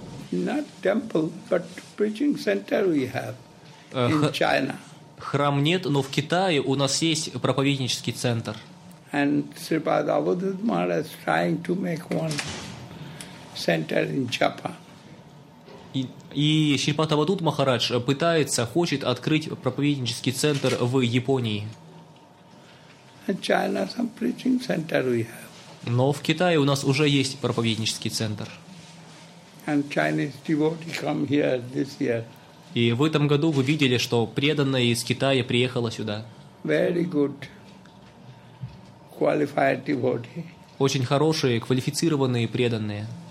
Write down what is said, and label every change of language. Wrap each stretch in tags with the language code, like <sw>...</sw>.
<en>Not temple, but preaching center we have in China.</en> <ru>Храм нет, но в Китае у нас есть проповеднический центр.</ru> <en>And Sri Padmavati Maharaj is trying to make one center in Japan.</en> <ru>И Шри Падмавадут Махарадж пытается, хочет открыть проповеднический центр в Японии.</ru> <en>China, some preaching center we have.</en> <ru>Но в Китае у нас уже есть проповеднический центр.</ru> <en>And Chinese devotees come here this year.</en> <ru>И в этом году вы видели, что преданная из Китая приехала сюда.</ru> <en>Very good. Qualified devotee.</en> <ru>Очень хорошие, квалифицированные преданные.</ru>